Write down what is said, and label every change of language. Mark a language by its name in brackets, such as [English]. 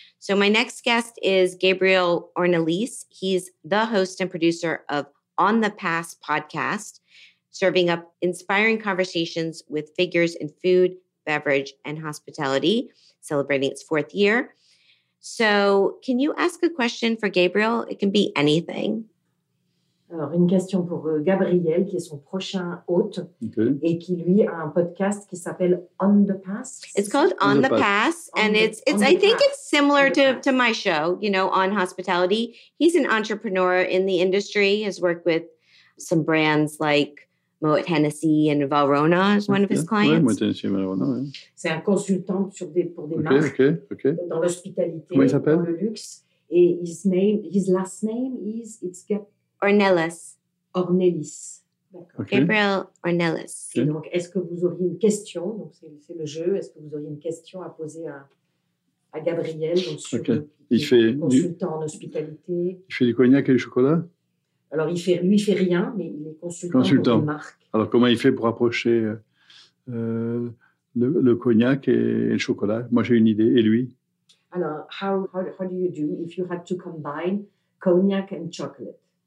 [English] So my next guest is Gabriel Ornelis. He's the host and producer of On the Pass podcast, serving up inspiring conversations with figures in food, beverage, and hospitality, celebrating its fourth year. So can you ask a question for Gabriel? It can be anything. [French] Alors, une question pour Gabriel, qui est son prochain hôte, okay. Et qui, lui, a un podcast qui s'appelle On the Pass. [English] It's called On the Pass, and it's similar to my show, you know, On Hospitality. He's an entrepreneur in the industry, has worked with some brands like Moët Hennessy and Valrhona is one of his clients. [French] Oui, Moët Hennessy et Valrhona, oui. C'est un consultant pour des marques dans l'hospitalité, comment il s'appelle? Dans le luxe. Et [English] his last name is [French] Ornelis. Ornelis. [English] Okay. Gabriel Ornelis. Okay. [French] Donc, est-ce que vous auriez une question? Donc, c'est le jeu. Est-ce que vous auriez une question à poser à Gabriel? Donc, consultant en hospitalité. Il fait du cognac et du chocolat? Alors, il fait rien, mais il est consultant pour une marque. Alors, comment il fait pour approcher le cognac et le chocolat? Moi, j'ai une idée. Et lui? [English] Alors, how do you do if you had to combine cognac and chocolate?